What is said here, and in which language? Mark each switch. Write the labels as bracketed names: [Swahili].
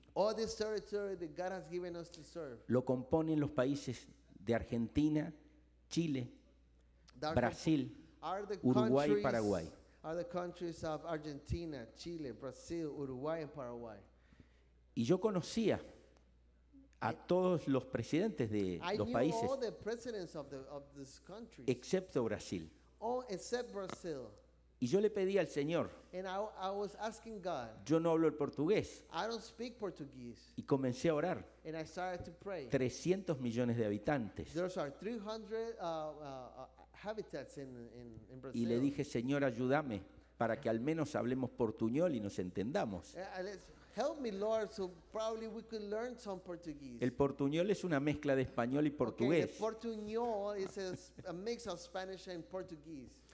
[English] all this territory that God has given us to serve, [Spanish] lo componen los países de Argentina, Chile, Brasil, Uruguay y Paraguay. [English] Are the countries of Argentina, Chile, Brazil, Uruguay and Paraguay. [Spanish] Y yo conocía a todos los presidentes de los países, [English] all the presidents of the, of this country, [Spanish] excepto Brasil. [English] All except Brazil. [Spanish] Y yo le pedí al Señor, [English] I was asking God, [Spanish] yo no hablo el portugués, [English] I don't speak Portuguese, [Spanish] y comencé a orar, [English] and I started to pray. [Spanish] 300 millones de habitantes. [English] There are 300 habitats in Brazil. [Spanish] Y le dije, Señor, ayúdame para que al menos hablemos portuñol y nos entendamos. [English] Help me, Lord, so probably we could learn some Portuguese. [Spanish] El portuñol es una mezcla de español y portugués. [English] Okay, portuñol is a mix of Spanish and Portuguese.